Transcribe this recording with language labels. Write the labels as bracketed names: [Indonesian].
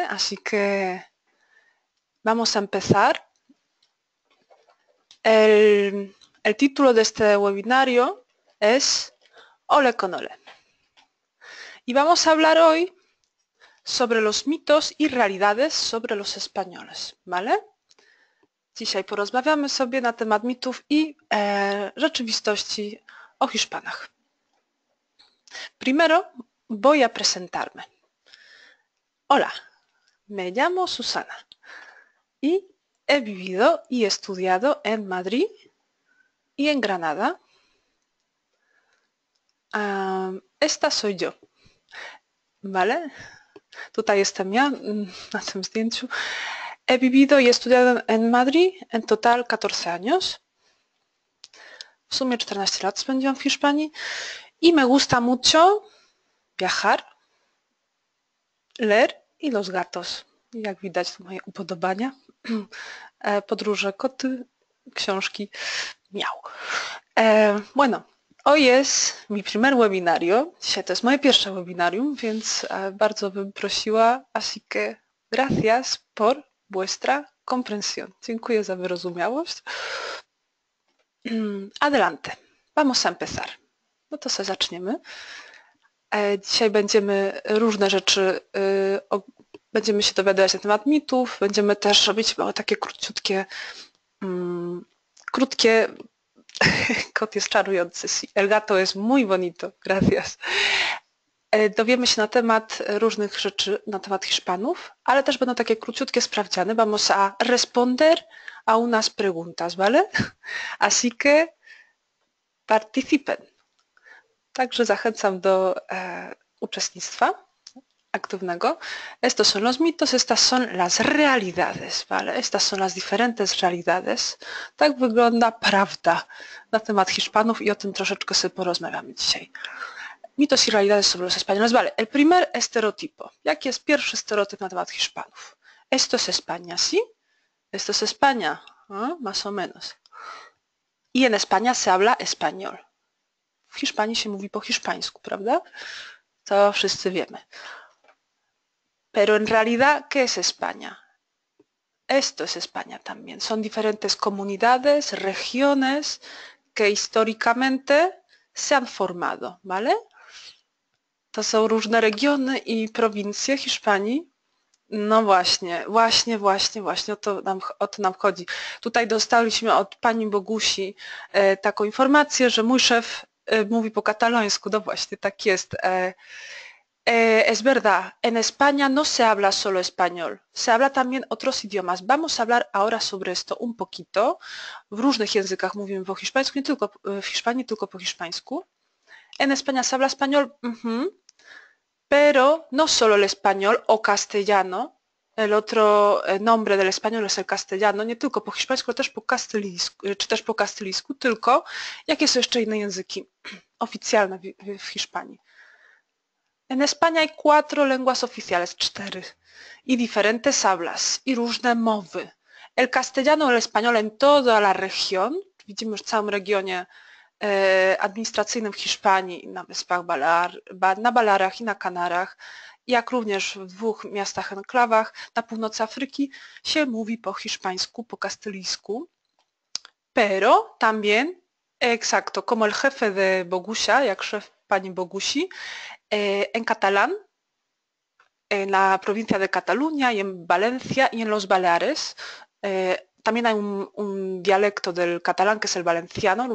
[Spanish] Así que vamos a empezar. El título de este webinario es Ole con Ole. Y vamos a hablar hoy sobre los mitos y realidades sobre los españoles, ¿vale? [Polish] Dzisiaj porozmawiamy sobie na temat mitów i rzeczywistości o Hiszpanach. [Spanish] Primero voy a presentarme. Hola, me llamo Susana y he vivido y estudiado en Madrid y en Granada. Esta soy yo. ¿Vale? [Polish] Tutaj jestem ja na tym zdjęciu. [Spanish] He vivido y estudiado en Madrid en total 14 años. [Polish] W sumie 14 lat spędziłam w Hiszpanii. [Spanish] I me gusta mucho viajar, leer y los gatos. [Polish] Jak widać, to moje upodobania. Podróże, koty, książki, miau. [Spanish] Bueno, hoy es mi primer webinario. [Polish] Dzisiaj to jest moje pierwsze webinarium, więc bardzo bym prosiła, [Spanish] así que gracias por vuestra comprensión. [Polish] Dziękuję za wyrozumiałość. [Spanish] Adelante. Vamos a empezar. [Polish] No to se zaczniemy. Dzisiaj będziemy różne rzeczy, będziemy się dowiadywać na temat mitów, będziemy też robić małe takie króciutkie, krótkie, kot jest czarujący. [Spanish] El gato es muy bonito. Gracias. [Polish] Dowiemy się na temat różnych rzeczy, na temat Hiszpanów, ale też będą takie króciutkie sprawdziane. [Spanish] Vamos a responder a unas preguntas, ¿vale? Así que participen. Także zachęcam do uczestnictwa aktywnego. Estos son los mitos, estas son las realidades, ¿vale? Estas son las diferentes realidades. [Polish] Tak wygląda prawda na temat Hiszpanów i o tym troszeczkę sobie porozmawiamy dzisiaj. [Spanish] Mitos y realidades sobre los españoles. Vale, el primer estereotipo. [Polish] Jaki jest pierwszy estereotip na temat Hiszpanów? [Spanish] Esto es España, ¿sí? Esto es España, ¿eh? Más o menos. Y en España se habla español. [Polish] W Hiszpanii się mówi po hiszpańsku, prawda? To wszyscy wiemy. [Spanish] Pero en realidad, ¿qué es España? Esto es España también. Son diferentes comunidades, regiones que históricamente se han formado, ¿vale? [Polish] To są różne regiony i prowincje Hiszpanii. No właśnie, właśnie, właśnie, właśnie o to nam chodzi. Tutaj dostaliśmy od pani Bogusi taką informację, że mój szef mówi po katalońsku. No właśnie, tak jest. [Spanish] Es verdad, en España no se habla solo español. Se habla también otros idiomas. Vamos a hablar ahora sobre esto un poquito. [Polish] W różnych językach mówimy po hiszpańsku, nie tylko w Hiszpanii, tylko po hiszpańsku. [Spanish] En España se habla español, pero no solo el español o castellano. El otro nombre del español es el castellano. [Polish] Nie tylko po hiszpańsku, ale też po kastylijsku, czy też po kastylijsku, tylko jakie są jeszcze inne języki oficjalne w Hiszpanii. [Spanish] En España hay cuatro lenguas oficiales, cztery. Y diferentes hablas, [Polish] i różne mowy. [Spanish] El castellano, el español en toda la región. [Polish] Widzimy już w całym regionie administracyjnym w Hiszpanii, na wyspach na Balearach i na Kanarach, jak również w dwóch miastach enklawach na północy Afryki się mówi po hiszpańsku, po kastylijsku. [Spanish] Pero también, exacto, como el jefe de Bogusia, [Polish] jak szef pani Bogusi, [Spanish] en catalán, en la provincia de Cataluña y en Valencia y en los Baleares, también hay un dialecto del catalán, que es el valenciano.